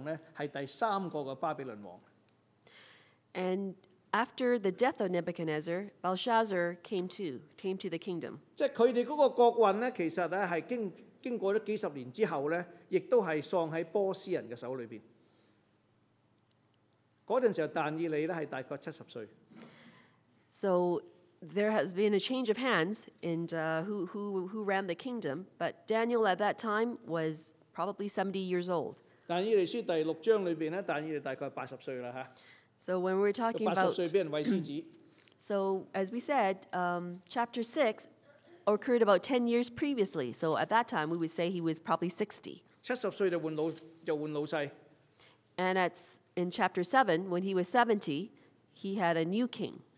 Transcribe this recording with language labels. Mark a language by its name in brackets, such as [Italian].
[Chinese] 但是後來他死了之後,就是這個伯沙撒王,是第三個的巴比倫王。 [English] And after the death of Nebuchadnezzar, Belshazzar came to the kingdom. [Chinese] 他們的國運其實是經過了幾十年之後,亦都是喪在波斯人的手裏面。那時候但以理大概70歲。 [English] So there has been a change of hands in who ran the kingdom, but Daniel at that time was probably 70 years old. [Chinese] 但以理書第六章裏面,但以理大概80歲了。 [English] So when we're talking about... [Chinese] 80歲被人餵獅子。 [English] So as we said, chapter 6 occurred about 10 years previously, so at that time we would say he was probably 60. [Chinese] 70歲就換老世。 [English] And in chapter 7, when he was 70, he had a new king.